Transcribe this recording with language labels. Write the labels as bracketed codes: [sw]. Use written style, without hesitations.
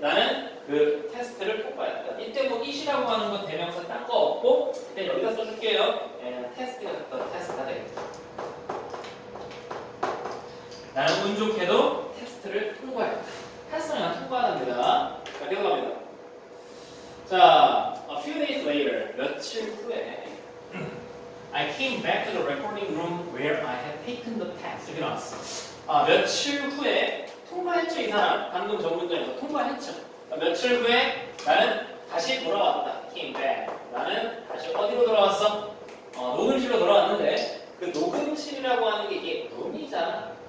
[ko] 나는 그 테스트를 통과했다. 이때 뭐 it이라고 하는 건 대명사 딴 거 없고 그냥 여기다 써줄게요. 테스트였던 테스트가 되겠죠. 나는 운 좋게도 테스트를 통과했다. 테스트는 통과하답니다. 자, 계속합니다. [en] 자, a few days later, [ko] 며칠 후에 [en] I came back to the recording room where I had taken the test. [ko] 여기 나왔어. 아, 며칠 후에 통과했죠, 이 사람. 방금 전 문장에서 통과했죠. 며칠 후에 나는 다시 돌아왔다. [en] Came back. [ko] 나는 다시 어디로 돌아왔어? 녹음실로 돌아왔는데 그 녹음실이라고 하는 게 이게 룸이잖아.